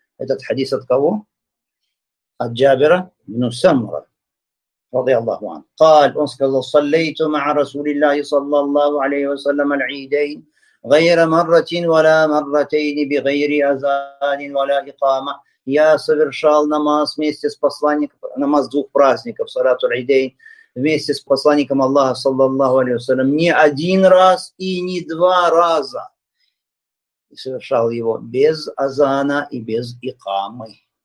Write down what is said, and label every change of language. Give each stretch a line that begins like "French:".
Russian: Этот хадис от кого? Ад-Джабира ибн Самура.
Arabic: رضي الله عنه قال أنس كذا صليت مع رسول الله صلى الله عليه وسلم العيدين غير مرة ولا مرتين بغير أذان ولا إقامة.
Russian: Я совершал намаз вместе с посланником, намаз двух праздников, салату аль-идейн, вместе с посланником Аллаха, саллаллаху алейхи ва саллям, не один раз и не два раза. И совершал его без азана и без икамы.